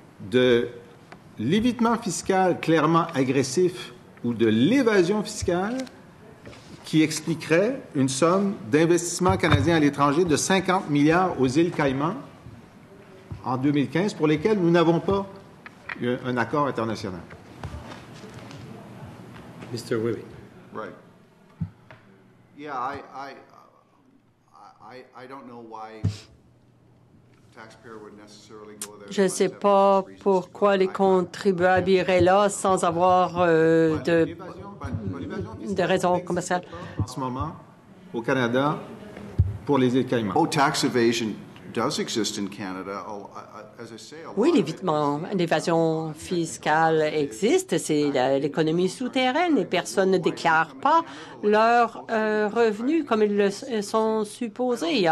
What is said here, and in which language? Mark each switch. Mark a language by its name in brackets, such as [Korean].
[French] de l'évitement fiscal clairement agressif ou de l'évasion fiscale qui expliquerait une somme d'investissement canadien à l'étranger de 50 milliards aux îles Caïmans en 2015, pour lesquelles nous n'avons pas eu un accord international. [English] Mr. Willey. Right. Yeah, I don't know why taxpayer would necessarily go there. [French] Je ne sais pas pourquoi les contribuables iraient là sans avoir de raisons commerciales. En ce moment, au Canada, pour les îles Caïmans. [English] Oh, tax evasion does exist in Canada. [French] Oui, l'évitement, l'évasion fiscale existe, c'est l'économie souterraine et personne ne déclare pas leurs revenus comme ils le sont supposés.